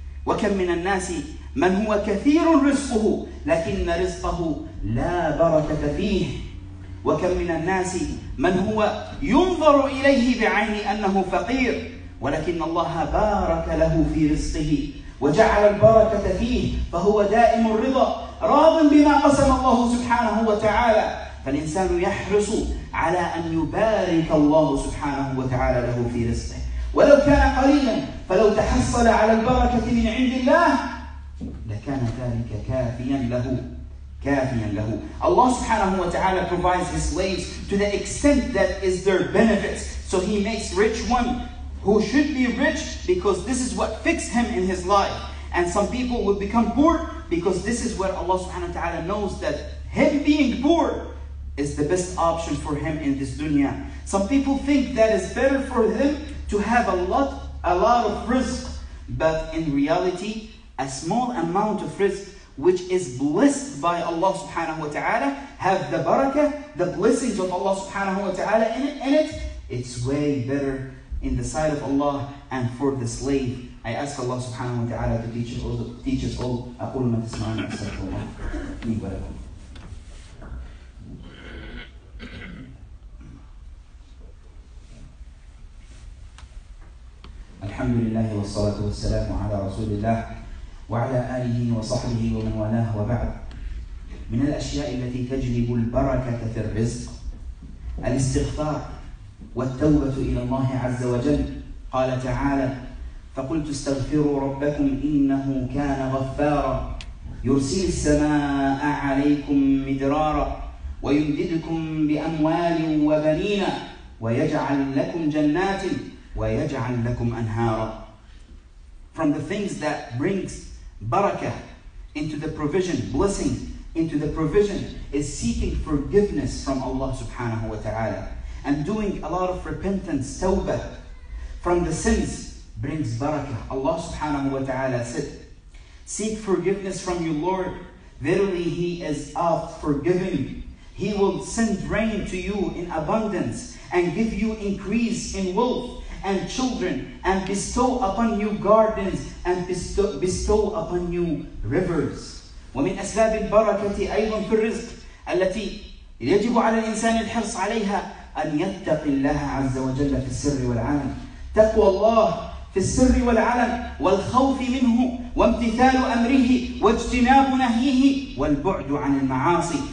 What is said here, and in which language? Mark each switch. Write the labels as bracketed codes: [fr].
[ar] وكم من الناس من هو كثير رزقه لكن رزقه لا بركة فيه، وكم من الناس من هو ينظر إليه بعين أنه فقير ولكن الله بارك له في رزقه وجعل البركة فيه فهو دائم الرضا راض بما قسم الله سبحانه وتعالى. فالإنسان يحرص على أن يبارك الله سبحانه وتعالى له في رزقه ولو كان قليلا، فلو تحصل على البركة من عند الله لكان ذلك كافيا له كافيا له. [en] Allah subhanahu wa ta'ala provides His slaves to the extent that is their benefits. So He makes rich one who should be rich because this is what fixed him in his life. And some people would become poor because this is what Allah subhanahu wa ta'ala knows, that him being poor is the best option for him in this dunya. Some people think that it's better for him to have a lot of rizq. But in reality, a small amount of rizq which is blessed by Allah subhanahu wa ta'ala, have the barakah, the blessings of Allah subhanahu wa ta'ala in it, it's way better in the sight of Allah and for the slave. I ask Allah subhanahu wa ta'ala to teach us all. [ar] أقول ما تسمعنا أستغفر الله لي ولكم. الحمد لله والصلاة والسلام على رسول الله وعلى آله وصحبه ومن والاه. وبعد، من الأشياء التي تجلب البركة في الرزق الاستغفار والتوبة إلى الله عز وجل. قال تعالى: فقلت استغفروا ربكم إنه كان غفارا يرسل السماء عليكم مدرارا ويمددكم بأموال وبنين ويجعل لكم جنات ويجعل لكم أنهارا. [en] From the things that brings barakah into the provision, blessing into the provision, is seeking forgiveness from Allah subhanahu wa ta'ala. And doing a lot of repentance, tawbah, from the sins brings barakah. Allah subhanahu wa ta'ala said, seek forgiveness from your Lord. Verily He is of forgiving. He will send rain to you in abundance and give you increase in wealth and children and bestow upon you gardens and bestow upon you rivers. [ar] ومن أسباب البركة أيضا في الرزق التي يجب على الإنسان الحرص عليها أن يتقي الله عز وجل في السر والعلن. تقوى الله في السر والعلن والخوف منه وامتثال أمره واجتناب نهيه والبعد عن المعاصي.